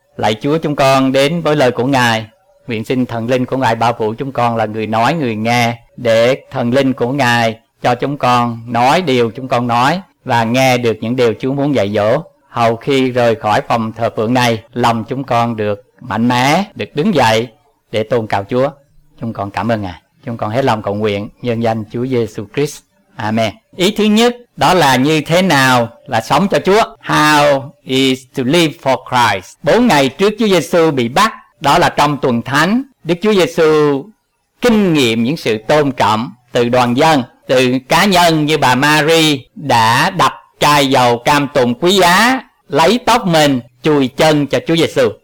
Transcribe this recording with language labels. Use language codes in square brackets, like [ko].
[vi] Lạy Chúa, chúng con đến với lời của Ngài, nguyện xin thần linh của Ngài bảo vụ chúng con là người nói người nghe, để thần linh của Ngài cho chúng con nói điều chúng con nói và nghe được những điều Chúa muốn dạy dỗ. Hầu khi rời khỏi phòng thờ phượng này, lòng chúng con được mạnh mẽ, được đứng dậy để tôn cao Chúa. Chúng con cảm ơn Ngài. Chúng con hết lòng cầu nguyện nhân danh Chúa Giêsu Christ. Amen. Ý thứ nhất đó là như thế nào là sống cho Chúa. [en] How is to live for Christ? [vi] 4 ngày trước Chúa Giêsu bị bắt, đó là trong tuần thánh, Đức Chúa Giêsu kinh nghiệm những sự tôn trọng từ đoàn dân, từ cá nhân như bà Mary đã đập chai dầu cam tùng quý giá, lấy tóc mình chùi chân cho Chúa Giêsu.